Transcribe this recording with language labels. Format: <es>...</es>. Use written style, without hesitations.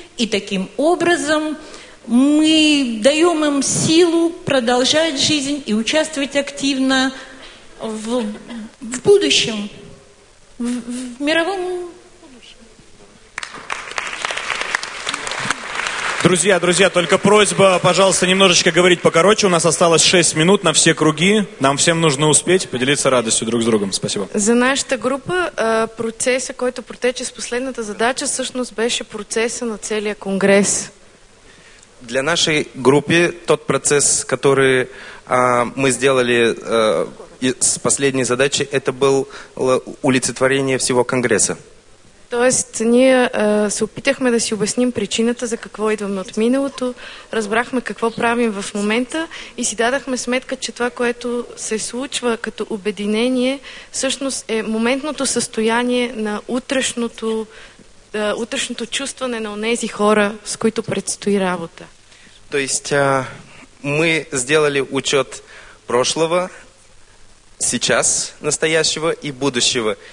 <ru>И таким образом мы даем им силу продолжать жизнь и участвовать активно в будущем, в мировом будущем. Друзья, только просьба, пожалуйста, немножечко говорить покороче. У нас осталось 6 минут на все круги. Нам всем нужно успеть поделиться радостью друг с другом. Спасибо.</ru> <bg>За нашата група процеса, който протече с последната задача, всъщност беше процеса на целия конгрес.</bg> <ru>Для нашей группы тот процесс, который мы сделали... И с последней задачей это было олицетворение всего конгресса. То есть,</ru> <bg>ние се опитахме да си обясним причината, за какво идваме от миналото, разбрахме какво правим в момента и си дадахме сметка, че това, което се случва като обединение, всъщност е моментното състояние на утрешното чувстване на онези хора, с които предстои работа.</bg> <ru>То есть, мы сделали учет прошлого, сейчас, настоящего и будущего.</ru>